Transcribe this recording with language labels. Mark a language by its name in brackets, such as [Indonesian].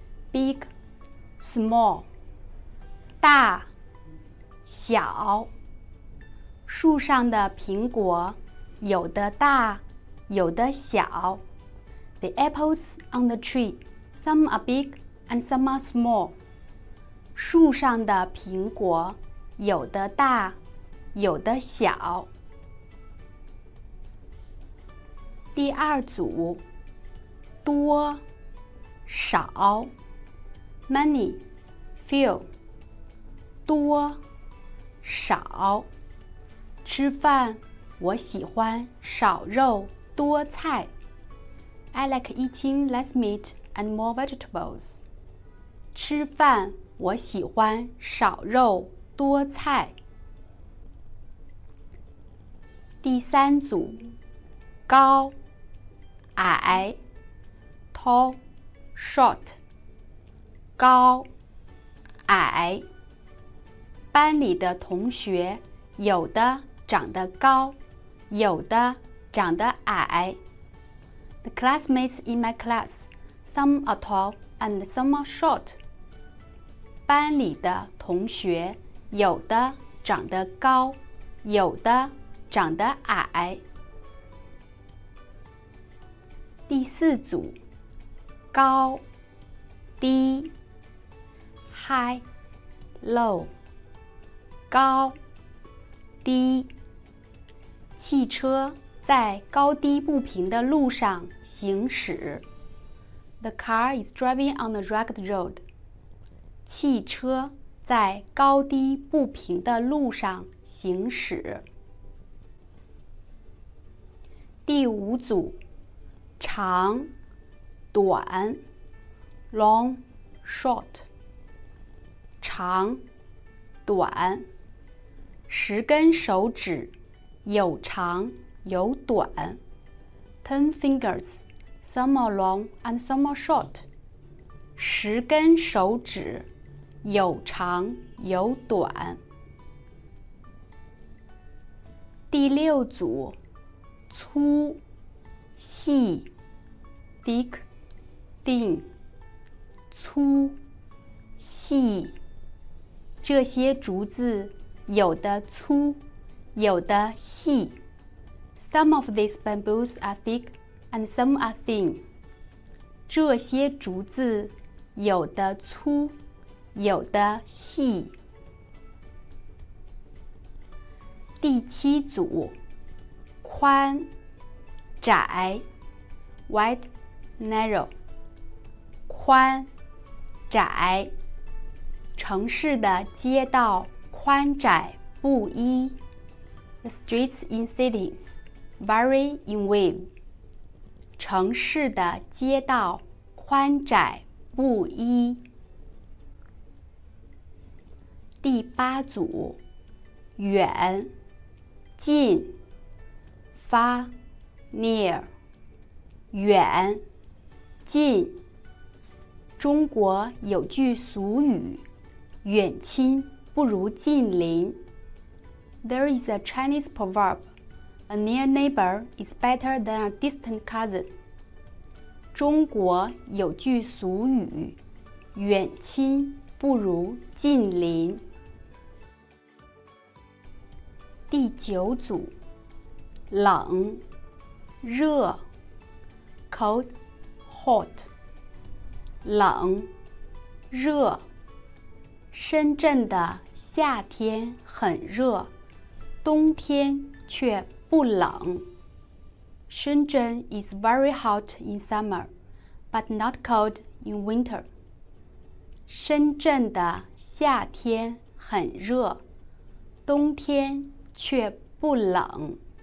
[English] Big, small, [Chinese] 大、小。树上的苹果有的大有的小。 [English] The apples on the tree, some are big and some are small. [Chinese] 树上的苹果有的大有的小。第二组，多、少。 [English] Many, few, [Chinese] 多、少。吃饭我喜欢少肉多菜。 [English] I like eating less meat and more vegetables. [Chinese] 吃饭我喜欢少肉多菜。第三组，高、矮。 [English] Tall, short. [Chinese] 高、矮。班里的同学有的长得高，有的长得矮。 [English] The classmates in my class, some are tall and some are short. [Chinese] 班里的同学有的长得高，有的长得矮。第四组，高、低。 [English] High, low, [Chinese] 高、低。汽车在高低不平的路上行驶。 [English] The car is driving on the rugged road. [Chinese] 汽车在高低不平的路上行驶。第五组，长、短。 [English] Long, short. [Chinese] 长、短。十根手指有长有短。 [English] Ten fingers, some are long and some are short. [Chinese] 十根手指有长有短。第六组，粗、细。 [English] Thick, thin. [Chinese] 粗、细。这些竹子有的粗有的细。 [English] Some of these bamboos are thick and some are thin. [Chinese] 这些竹子有的粗有的细。第七组，宽、窄。 [English] Wide, narrow. [Chinese] 宽、窄。城市的街道宽窄不一。 [English] The streets in cities vary in width. [Chinese] 城市的街道宽窄不一。第八组，远、近。 [English] Far, near. [Chinese] 远、近。中国有句俗语，远亲不如近邻。 [English] There is a Chinese proverb, A near neighbor is better than a distant cousin. [Chinese] 中国有句俗语，远亲不如近邻。第九组，冷、热。 [English] Cold, hot. [Chinese] 冷、热。深圳的夏天很热，冬天却不冷。 [English] Shenzhen is very hot in summer, but not cold in winter. [Chinese] 深圳的夏天很热，冬天却不冷。